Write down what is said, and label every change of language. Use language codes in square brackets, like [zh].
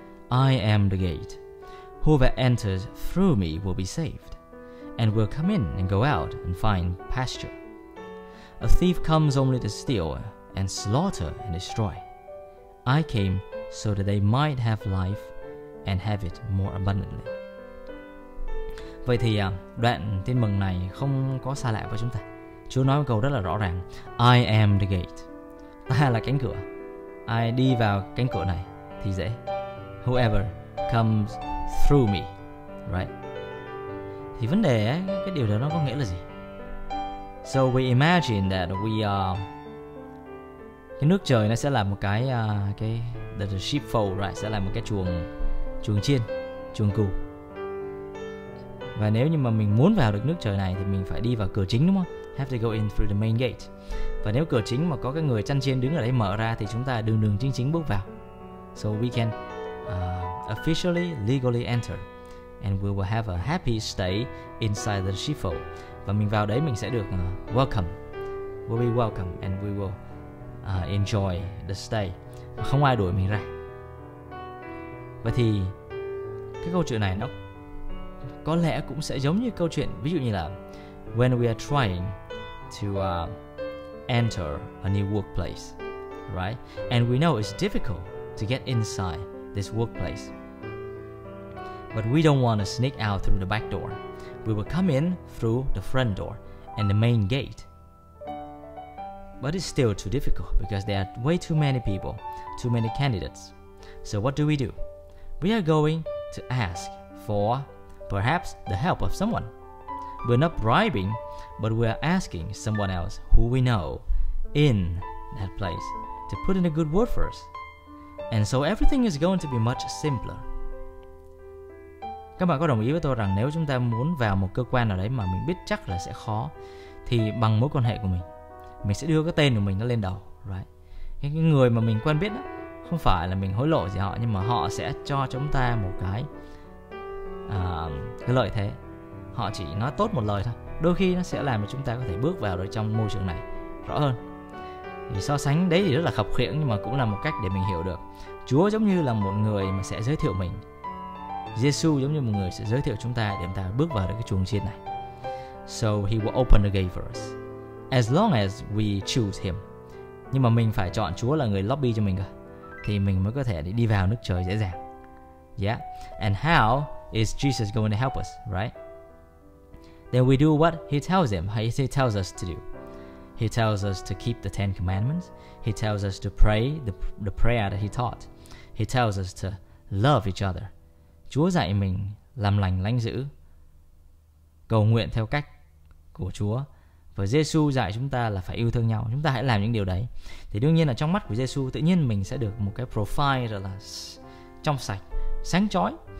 [en] I am the gate. Whoever enters through me will be saved, and will come in and go out and find pasture. A thief comes only to steal and slaughter and destroy. I came so that they might have life and have it more abundantly. [vi] Vậy thì đoạn tin mừng này không có xa lạ với chúng ta. Chúa nói một câu rất là rõ ràng. [en] I am the gate. [vi] Ta là cánh cửa. Ai đi vào cánh cửa này thì dễ. [en] Whoever comes through me. Right. [vi] Thì vấn đề ấy, cái điều đó nó có nghĩa là gì? [en] So we imagine that we are [vi] cái nước trời nó sẽ là một cái [en] the sheepfold, right? [vi] Sẽ là một cái chuồng chiên, chuồng cừu. Và nếu như mà mình muốn vào được nước trời này thì mình phải đi vào cửa chính đúng không? [en] Have to go in through the main gate. [vi] Và nếu cửa chính mà có cái người chăn chiên đứng ở đấy mở ra thì chúng ta đường đường chính chính bước vào. [en] So we can officially, legally enter, and we will have a happy stay inside the sheepfold. [vi] Và mình vào đấy mình sẽ được welcome. [en] We'll be welcome and we will enjoy the stay. [vi] Và không ai đuổi mình ra. Vậy thì cái câu chuyện này nó có lẽ cũng sẽ giống như câu chuyện ví dụ như là [en] when we are trying to enter a new workplace, right? And we know it's difficult to get inside this workplace. But we don't want to sneak out through the back door. We will come in through the front door and the main gate. But it's still too difficult because there are way too many people, too many candidates. So what do? We are going to ask for perhaps the help of someone. We're not bribing, but we are asking someone else who we know in that place to put in a good word for us. And so everything is going to be much simpler. [vi] Các bạn có đồng ý với tôi rằng nếu chúng ta muốn vào một cơ quan nào đấy mà mình biết chắc là sẽ khó thì bằng mối quan hệ của mình sẽ đưa cái tên của mình nó lên đầu, right? Cái người mà mình quen biết đó, không phải là mình hối lộ gì họ nhưng mà họ sẽ cho chúng ta một cái lợi thế. Họ chỉ nói tốt một lời thôi. Đôi khi nó sẽ làm cho chúng ta có thể bước vào được trong môi trường này rõ hơn. Thì so sánh đấy thì rất là khập khiễng nhưng mà cũng là một cách để mình hiểu được. Chúa giống như là một người mà sẽ giới thiệu mình. Giê-xu giống như một người sẽ giới thiệu chúng ta để chúng ta bước vào được cái chuồng chiên này. [en] So he will open the gate for us as long as we choose him. [vi] Nhưng mà mình phải chọn Chúa là người lobby cho mình cơ thì mình mới có thể đi vào nước trời dễ dàng. [en] Yeah. And how is Jesus going to help us, right? Then we do what he tells him, he tells us to do. He tells us to keep the Ten Commandments. He tells us to pray the prayer that he taught. He tells us to love each other. [vi] Chúa dạy mình làm lành lánh dữ, cầu nguyện theo cách của Chúa. Và Giê-xu dạy chúng ta là phải yêu thương nhau. Chúng ta hãy làm những điều đấy. Thì đương nhiên là trong mắt của Giê-xu, tự nhiên mình sẽ được một cái profile rất là trong sạch, sáng chói.